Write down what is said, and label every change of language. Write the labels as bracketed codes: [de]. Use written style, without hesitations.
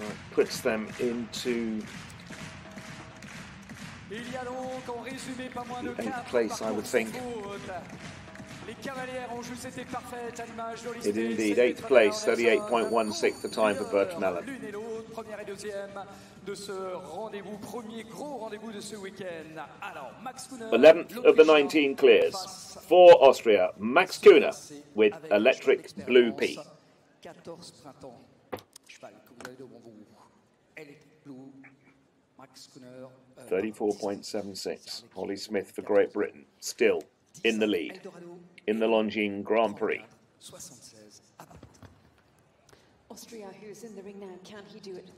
[en] Puts them into eighth place, I would think. It is indeed eighth place, 38.16 the time for Bertram Allen. [fr] Première et deuxième de ce rendez-vous, premier gros rendez-vous de ce week-end. Alors, Max Kuhner, [en] 11th of the 19 clears for Austria, Max Kuhner with Electric Blue P. [fr] 14 printemps, cheval que vous avez devant vous, Electric Blue, Max Kuhner. [en] 34.76, Holly Smith for Great Britain, still in the lead in the Longines Grand Prix. Austria, who is in the ring now, can he do it?